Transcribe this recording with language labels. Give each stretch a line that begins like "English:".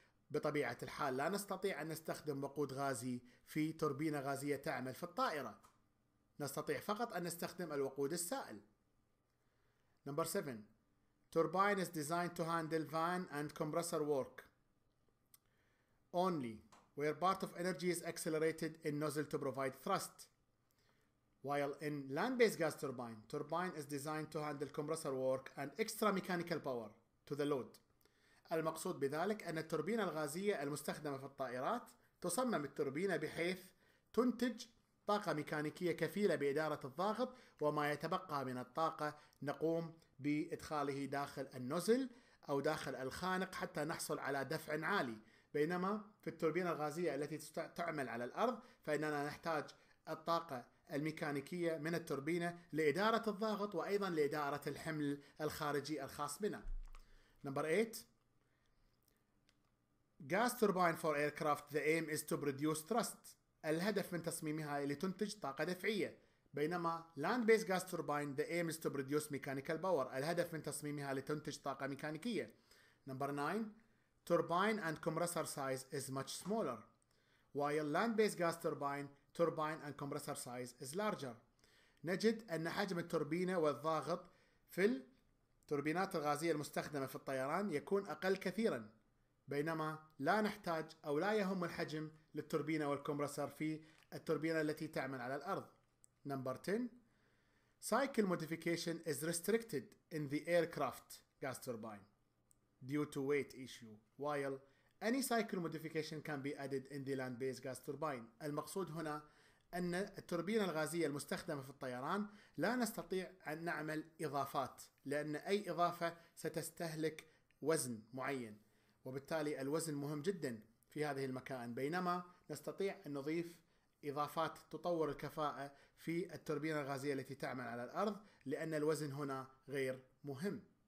Arabic: بطبيعة الحال لا نستطيع أن نستخدم وقود غازي في توربينة غازية تعمل في الطائرة، نستطيع فقط أن نستخدم الوقود السائل.
English: Number 7. Turbine is designed to handle fan and compressor work only, where part of energy is accelerated in nozzle to provide thrust. While in land-based gas turbine, turbine is designed to handle compressor work and extra mechanical power to the load.
Arabic: المقصود بذلك أن التوربينة الغازية المستخدمة في الطائرات تصمم التوربينة بحيث تنتج طاقة ميكانيكية كفيلة بإدارة الضغط، وما يتبقى من الطاقة نقوم بإدخاله داخل النوزل أو داخل الخانق حتى نحصل على دفع عالي، بينما في التوربينة الغازية التي تعمل على الأرض فإننا نحتاج الطاقة الميكانيكية من التوربينة لإدارة الضغط وأيضا لإدارة الحمل الخارجي الخاص بنا.
English: Number 8. Gas turbine for aircraft, the aim is to produce thrust.
Arabic: الهدف من تصميمها لتنتج طاقة دفعية، بينما
English: land-based gas turbine, the aim is to produce mechanical power.
Arabic: الهدف من تصميمها لتنتج طاقة ميكانيكية.
English: Number 9. Turbine and compressor size is much smaller, while land-based gas turbine, turbine and compressor size is larger.
Arabic: نجد أن حجم التوربينة والضغط في التوربينات الغازية المستخدمة في الطيران يكون أقل كثيرا، بينما لا نحتاج أو لا يهم الحجم للتوربينة والكمبرسر في التوربينة التي تعمل على الأرض.
English: Number 10. Cycle modification is restricted in the aircraft gas turbine due to weight issue, while any cycle modification can be added in the land-based gas turbine.
Arabic: المقصود هنا أن التوربينة الغازية المستخدمة في الطيران لا نستطيع أن نعمل إضافات، لأن أي إضافة ستستهلك وزن معين، وبالتالي الوزن مهم جدا في هذه المكائن، بينما نستطيع أن نضيف إضافات تطور الكفاءة في التوربينة الغازية التي تعمل على الأرض، لأن الوزن هنا غير مهم.